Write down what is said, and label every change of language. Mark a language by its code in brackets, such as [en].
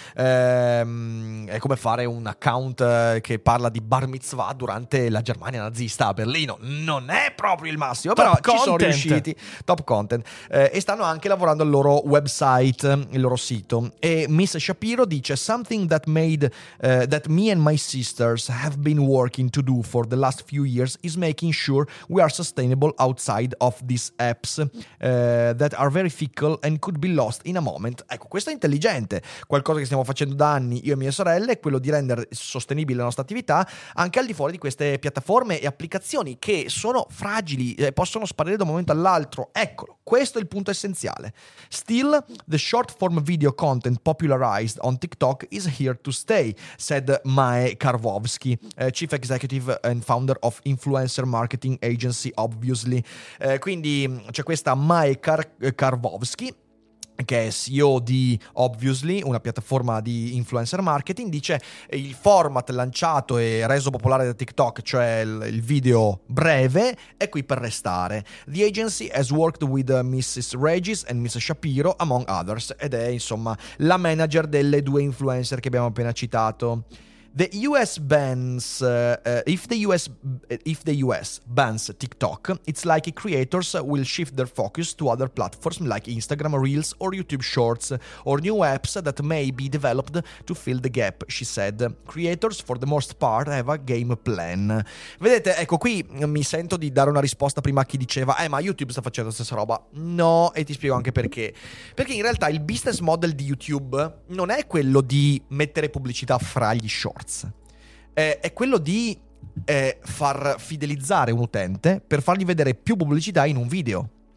[it] È come fare un account che parla di bar mitzvah durante la Germania nazista a Berlino. Non è proprio il massimo, top, però content. Ci sono riusciti. Top content. E stanno anche lavorando al loro website, il loro sito. E Miss Shapiro dice: [en] "Something that made that me and my sisters have been working to do for the last few years is making sure we are sustainable outside of these apps that are very fickle and could be lost in a moment." [it] Ecco, questo è intelligente. Qualcosa che stiamo facendo da anni io e mie sorelle è quello di rendere sostenibile la nostra attività anche al di fuori di queste piattaforme e applicazioni che sono fragili e possono sparire da un momento all'altro. Eccolo, questo è il punto essenziale. [en] "Still, the short form video content popularized on TikTok is here to stay," said Mae Karwowski, chief executive and founder of influencer marketing agency Obviously. [it] Quindi c'è questa Mae Karwowski, che è CEO di Obviously, una piattaforma di influencer marketing. Dice: "Il format lanciato e reso popolare da TikTok, cioè il video breve, è qui per restare. [en] The agency has worked with Mrs. Regis and Mrs. Shapiro, among others." [it] Ed è, insomma, la manager delle due influencer che abbiamo appena citato. [en] "The US bans if the US bans TikTok, it's like creators will shift their focus to other platforms like Instagram Reels or YouTube Shorts or new apps that may be developed to fill the gap," she said. "Creators for the most part have a game plan." [it] Vedete, ecco, qui mi sento di dare una risposta prima a chi diceva: "Ma YouTube sta facendo la stessa roba." No, e ti spiego anche perché. Perché in realtà il business model di YouTube non è quello di mettere pubblicità fra gli short. È quello di far fidelizzare un utente per fargli vedere più pubblicità in un video.